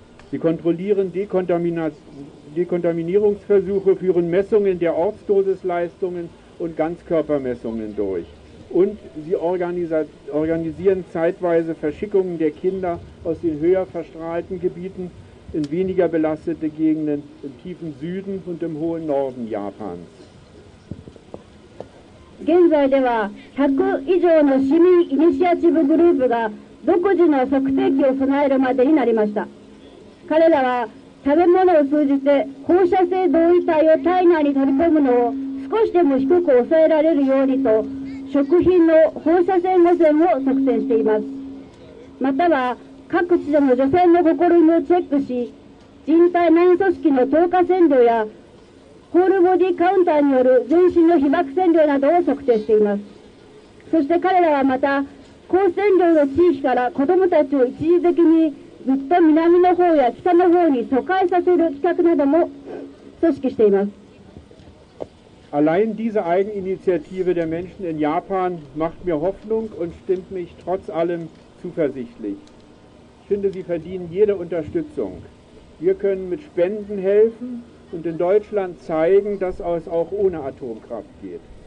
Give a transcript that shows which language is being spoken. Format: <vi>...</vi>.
<de>Sie kontrollieren Dekontaminierungsversuche, führen Messungen der Ortsdosisleistungen und Ganzkörpermessungen durch. Und sie organisieren zeitweise Verschickungen der Kinder aus den höher verstrahlten Gebieten in weniger belastete Gegenden im tiefen Süden und im hohen Norden Japans.</de> <ja>現在では100以上の市民イニシアチブグループが独自の測定器を備えるまでになりました。彼らは食べ物を通じて放射性同位体を体内に取り込むのを少しでも低く抑えられるようにと食品の放射性汚染を測定しています。または各地での除染の試みをチェックし、人体内組織の透過線量やホールボディカウンターによる全身の被曝線量などを測定しています。そして彼らはまた、高線量の地域から子どもたちを一時的にずっと南の方や北の方に疎開させる企画なども組織しています。</ja> <de>Allein diese Eigeninitiative der Menschen in Japan macht mir Hoffnung und stimmt mich trotz allem zuversichtlich. Ich finde, sie verdienen jede Unterstützung. Wir können mit Spenden helfen und in Deutschland zeigen, dass es auch ohne Atomkraft geht.</de>